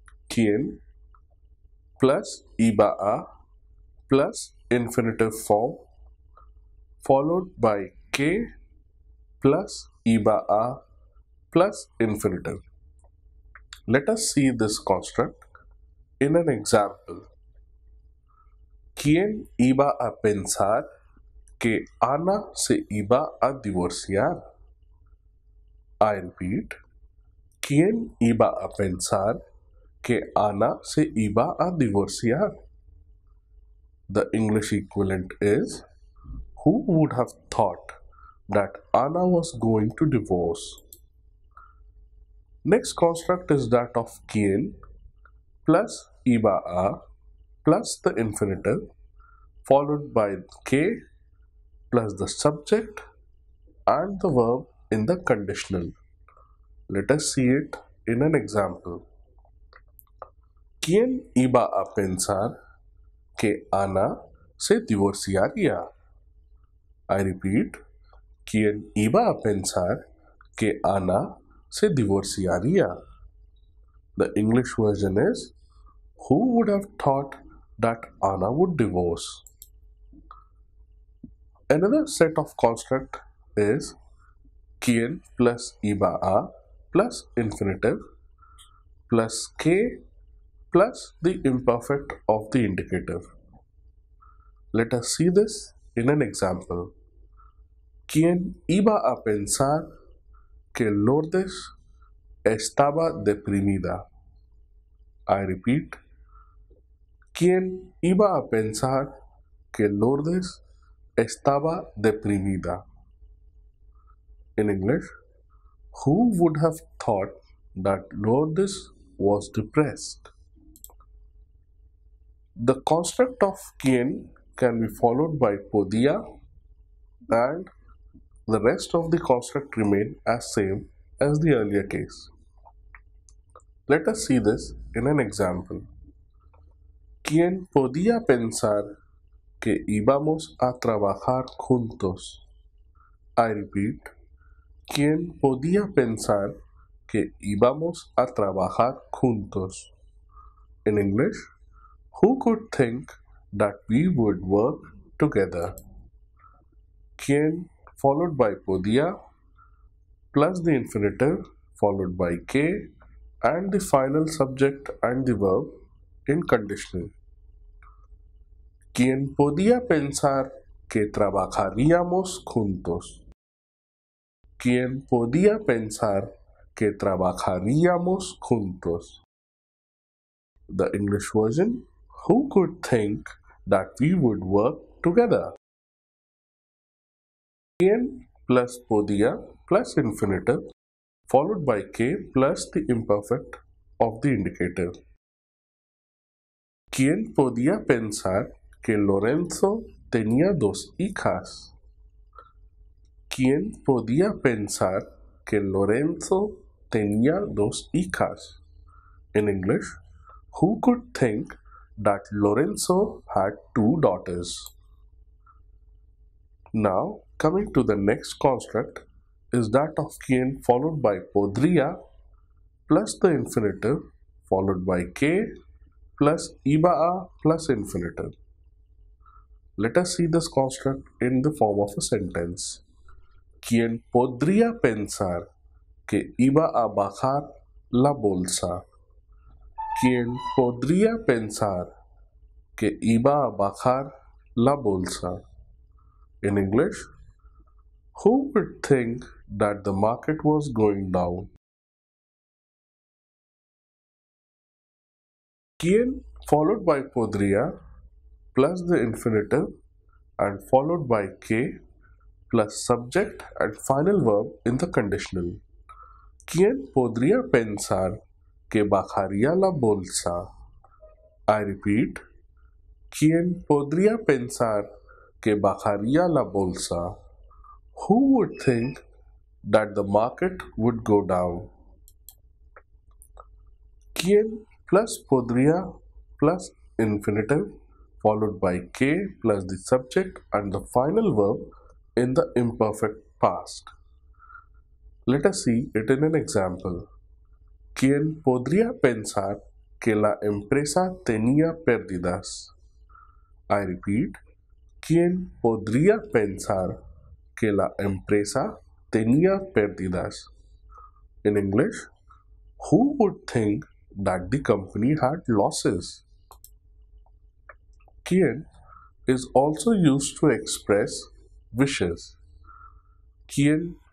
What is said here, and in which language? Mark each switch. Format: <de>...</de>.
<en>¿Quién plus iba a plus infinitive form followed by que plus iba a plus infinitive? Let us see this construct in an example.</en> <es>¿Quién iba a pensar que Ana se iba a divorciar?</es> <en>I repeat,</en> <es>¿quién iba a pensar que Ana se iba a divorciar?</es> <en>The English equivalent is, who would have thought that Ana was going to divorce? Next construct is that of ¿quién plus iba a plus the infinitive followed by que plus the subject and the verb in the conditional. Let us see it in an example.</en> <es>¿Quién iba a pensar que Ana se divorciaría?</es> <en>I repeat,</en> <es>¿quién iba a pensar que Ana se divorciaría?</es> <en>The English version is, who would have thought that Ana would divorce? Another set of construct is ¿quién plus iba a plus infinitive plus que plus the imperfect of the indicative? Let us see this in an example.</en> <es>¿Quién iba a pensar que Lourdes estaba deprimida?</es> <en>I repeat,</en> <es>¿quién iba a pensar que Lourdes estaba deprimida?</es> <en>In English, who would have thought that Lourdes was depressed? The construct of ¿quién can be followed by podía and the rest of the construct remain as same as the earlier case. Let us see this in an example.</en> <es>¿Quién podía pensar que íbamos a trabajar juntos?</es> <en>I repeat,</en> <es>¿quién podía pensar que íbamos a trabajar juntos?</es> <en>In English, who could think that we would work together? ¿Quién followed by podía plus the infinitive followed by que and the final subject and the verb in conditional?</en> <es>¿Quién podía pensar que trabajaríamos juntos? ¿Quién podía pensar que trabajaríamos juntos?</es> <en>The English version, who could think that we would work together? ¿Quién plus podía plus infinitive followed by que plus the imperfect of the indicative?</en> <es>¿Quién podía pensar que Lorenzo tenía dos hijas? ¿Quién podía pensar que Lorenzo tenía dos hijas?</es> <en>In English, who could think that Lorenzo had two daughters? Now, coming to the next construct is that of ¿quién followed by podría plus the infinitive followed by que plus iba a plus infinitive? Let us see this construct in the form of a sentence.</en> <es>¿Quién podría pensar que iba a bajar la bolsa? ¿Quién podría pensar que iba a bajar la bolsa?</es> <en>In English, who would think that the market was going down? ¿Quién followed by podría plus the infinitive and followed by que plus subject and final verb in the conditional?</en> <es>¿Quién podría pensar que bajaría la bolsa?</es> <en>I repeat,</en> <es>¿quién podría pensar que bajaría la bolsa?</es> <en>Who would think that the market would go down? ¿Quién plus podría plus infinitive followed by que plus the subject and the final verb in the imperfect past? Let us see it in an example.</en> <es>¿Quién podría pensar que la empresa tenía pérdidas?</es> <en>I repeat,</en> <es>¿quién podría pensar que la empresa tenía pérdidas?</es> <en>In English, who would think that the company had losses? ¿Quién is also used to express wishes? ¿Quién</en>